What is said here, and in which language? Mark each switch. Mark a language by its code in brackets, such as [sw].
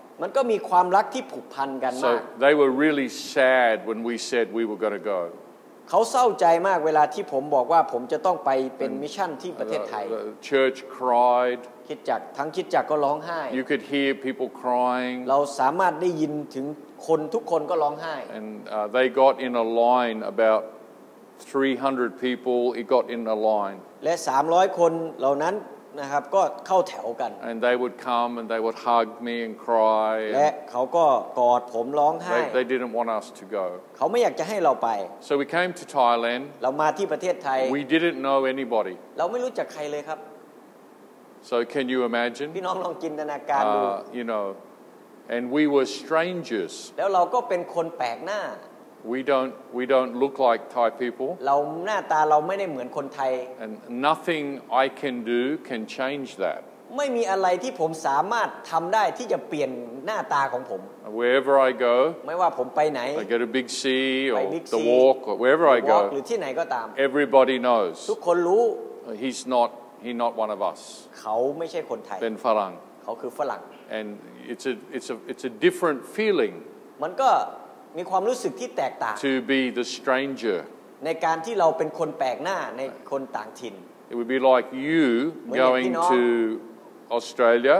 [th] มันก็มีความรักที่ผูกพันกันมาก [en] So they were really sad when we said we were going to go. [th] เขาเศร้าใจมากเวลาที่ผมบอกว่าผมจะต้องไปเป็นมิชชั่นที่ประเทศไทย [en] Church cried [th] คิดจักทั้งคิดจักก็ร้องไห้ [en] You could hear people crying [th] เราสามารถได้ยินถึงคนทุกคนก็ร้องไห้ [en] And they got in a line about 300 people it got in a line [th] และ300คนเหล่านั้นนะครับก็เข้าแถวกัน [en] And they would come and they would hug me and cry [th] และเขาก็กอดผมร้องไห้ [en] They didn't want us to go [th] เขาไม่อยากจะให้เราไป [en] So we came to Thailand [th] เรามาที่ประเทศไทย [en] We didn't know anybody [th] เราไม่รู้จักใครเลยครับ [en] So can you imagine [th] พี่น้องลองจินตนาการดู [en] You know and we were strangers [th] แล้วเราก็เป็นคนแปลกหน้า [en] We don't look like Thai people. [th] เราหน้าตาเราไม่ได้เหมือนคนไทย [en] And nothing I can do can change that. [th] ไม่มีอะไรที่ผมสามารถทำได้ที่จะเปลี่ยนหน้าตาของผม [en] Wherever I go. [th] ไม่ว่าผมไปไหน [en] I go to Big C or the walk or wherever I go. [th] หรือที่ไหนก็ตาม [en] Everybody knows. [th] ทุกคนรู้ [en] He's not one of us. [th] เขาไม่ใช่คนไทย เป็นฝรั่ง เข ขาคือฝรั่ง [en] and it's a different feeling [th] มันก็มีความรู้สึกที่แตกต่าง [en] to be the stranger [th] ในการที่เราเป็นคนแปลกหน้าในคนต่างถิ่น [en] it would be like you going to Australia